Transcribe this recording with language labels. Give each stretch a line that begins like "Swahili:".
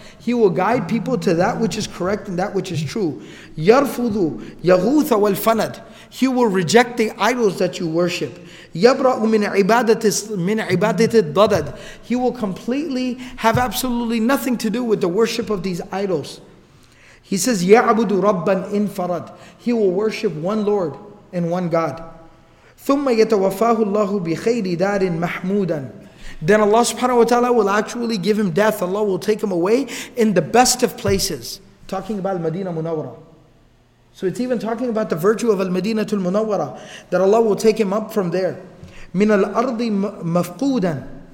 English: He will guide people to that which is correct and that which is true.
Arabic: يرفض يغوث والفند.
English: He will reject the idols that you worship.
Arabic: يبرأ من عبادة الضدد.
English: He will completely have absolutely nothing to do with the worship of these idols. He says
Arabic: يعبد ربا انفرد.
English: He will worship one Lord and one God.
Arabic: ثم يتوفاه الله بخير دار محمودا.
English: Then Allah subhanahu wa ta'ala will actually give him death. Allah will take him away in the best of places. Talking about Al-Madinah Munawwara. So it's even talking about the virtue of Al-Madinah Al-Munawwara. That Allah will take him up from there.
Arabic: Min al-ardi mafqoodan.